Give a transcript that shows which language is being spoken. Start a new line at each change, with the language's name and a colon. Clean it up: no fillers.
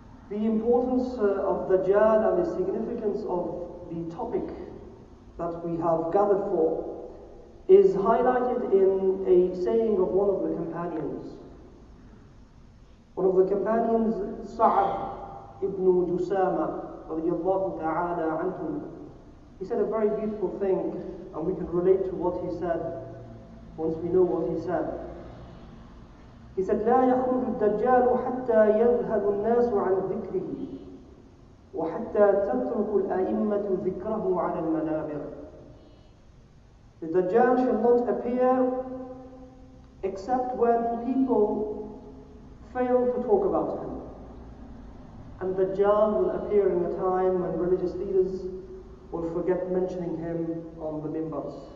English: The importance of Dajjal and the significance of the topic that we have gathered for is highlighted in a saying of one of the companions. One of the companions, Sa'ad ibn Jusama, radiyallahu ta'ala anhu, he said a very beautiful thing, and we can relate to what he said once we know what he said. He said,
Arabic: لا يخرج الدجال حتى يذهب الناس عن ذكره وحتى تترك الأئمة ذكره على المنابر.
English: The Dajjal shall not appear except when people fail to talk about him. And the Dajjal will appear in a time when religious leaders will forget mentioning him on the minbars.